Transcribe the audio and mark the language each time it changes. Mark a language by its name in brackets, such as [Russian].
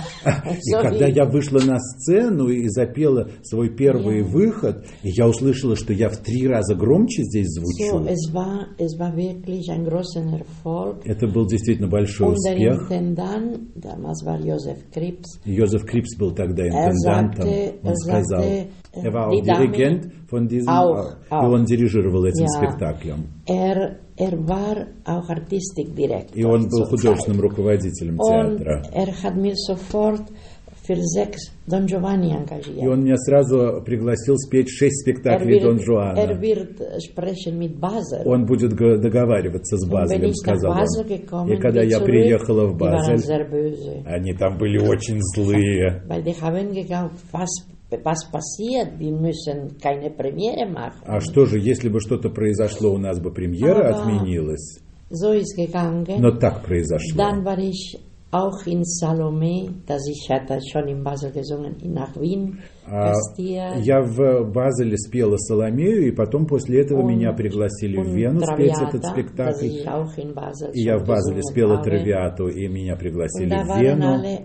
[Russian] И когда я вышла на сцену и запела свой первый выход, я услышала, что я в 3 раза громче здесь звучу. [German] Es war wirklich ein großer Erfolg. [Russian] Это был действительно большой успех. [German] Und der Intendant, damals war Josef Krips. [Russian] Josef Krips был тогда интендантом. Он сказал, [German] er war auch Dirigent von diesem, [Russian] и он дирижировал этим спектаклем. [German] Er war auch [English] artistic director. [Russian] И он был художественным руководителем театра. [German] Er hat mir sofort für 6 Don Giovanni engagiert. [Russian] И он меня сразу пригласил спеть 6 спектаклей Don Giovanni. [German] Er wird sprechen mit Basel. [Russian] Он будет договариваться с Базелем, сказал он. И когда я приехала в Базель, они там были очень злые. [German] Weil die haben geglaubt, was passiert, wir müssen keine Premiere machen. [Russian] А что же, если бы что-то произошло, у нас бы премьера отменилась? [German] So ist gegangen. [Russian] Но так произошло. [German] Dann war ich auch in Salome, das ich hatte schon in Basel gesungen, nach Wien. [Russian] Я в Базеле спела Соломею, и потом после этого меня пригласили в Вену спеть этот спектакль. И я в Базеле спела Травиату, и меня пригласили в Вену.